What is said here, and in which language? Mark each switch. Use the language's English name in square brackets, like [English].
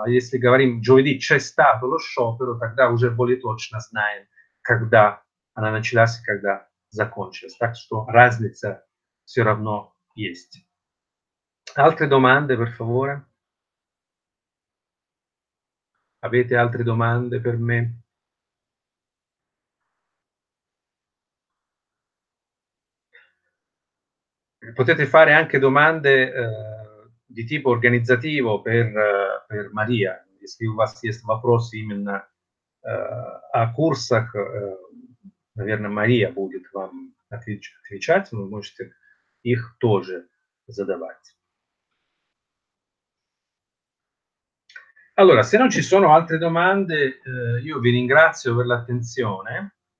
[Russian] А если говорим [Italian] giovedì c'è stato lo sciopero, [Russian] тогда уже более точно знаем, когда она началась, когда закончилось. Так что разница все равно есть. [Italian] Altre domande, per favore? Avete altre domande per me? Potete fare anche domande di tipo organizzativo per Maria. [Russian] Если у вас есть вопросы именно о курсах, наверное, Мария будет вам отвечать, вы можете их тоже задавать. [Italian] Allora, se non ci sono altre domande, io vi ringrazio per l'attenzione.